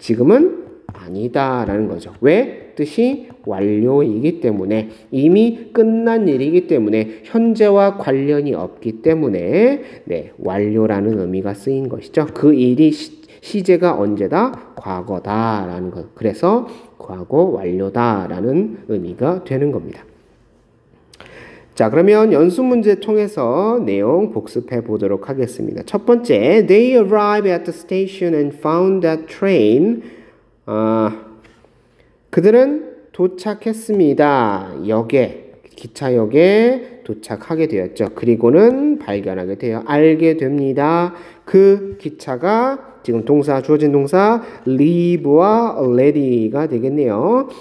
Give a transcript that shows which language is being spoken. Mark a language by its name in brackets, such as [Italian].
[Korean] 지금은 아니다라는 거죠. 왜? 뜻이 완료이기 때문에 이미 끝난 일이기 때문에 현재와 관련이 없기 때문에 네, 완료라는 의미가 쓰인 것이죠. 그 일이 시제가 언제다? 과거다라는 것. 그래서 과거 완료다라는 의미가 되는 겁니다. 자, 그러면 연습 문제 통해서 내용 복습해 보도록 하겠습니다. 첫 번째, [English] They arrived at the station and found that train. [Korean] 그들은 도착했습니다. 역에, 기차역에 도착하게 되었죠. 그리고는 발견하게 되어 알게 됩니다. 그 기차가 지금 동사, 주어진 동사, leave와 already가 되겠네요.